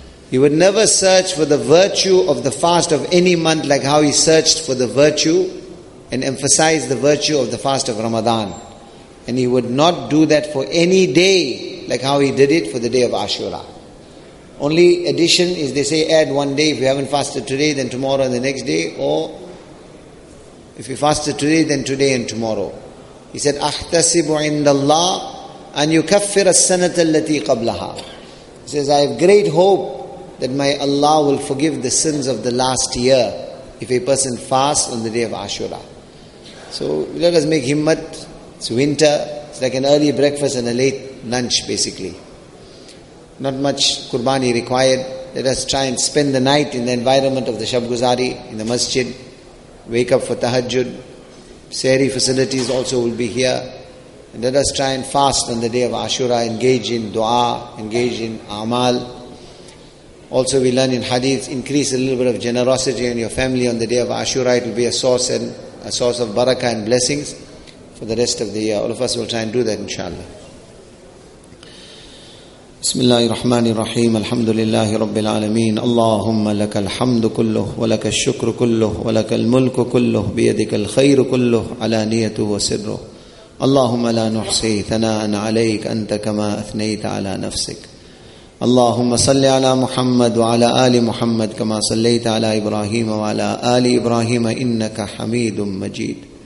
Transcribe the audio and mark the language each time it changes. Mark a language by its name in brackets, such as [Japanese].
[English] He would never search for the virtue of the fast of any month like how he searched for the virtue and emphasized the virtue of the fast of Ramadan. And he would not do that for any day like how he did it for the day of Ashura. Only addition is they say add one day. If you haven't fasted today, then tomorrow and the next day. Or if you fasted today, then today and tomorrow. He said, [Arabic] أَحْتَسِبُ عِنْدَ اللَّهِ أَنْ يُكَفِّرَ السَّنَةَ الَّتِي قَبْلَهَا. [English] He says, I have great hope that my Allah will forgive the sins of the last year if a person fasts on the day of Ashura. So let us make himmat. It's winter. It's like an early breakfast and a late lunch basically. Not much qurbani required. Let us try and spend the night in the environment of the Shab Guzari, in the masjid. Wake up for tahajjud. Sehri facilities also will be here. And let us try and fast on the day of Ashura, engage in dua, engage in amal. Also we learn in hadith, increase a little bit of generosity in your family on the day of Ashura. It will be a source of barakah and blessings for the rest of the year. All of us will try and do that, inshallah. [Arabic] بسم الله الرحمن الرحيم الحمد لله رب العالمين اللهم لك الحمد كله ولك الشكر كله ولك الملك كله بيدك الخير كله علانيته وسره اللهم لا نحصي ثناء عليك أنت كما أثنيت على نفسك اللهم صل على محمد وعلى آل محمد كما صليت على إبراهيم وعلى آل إبراهيم إنك حميد مجيد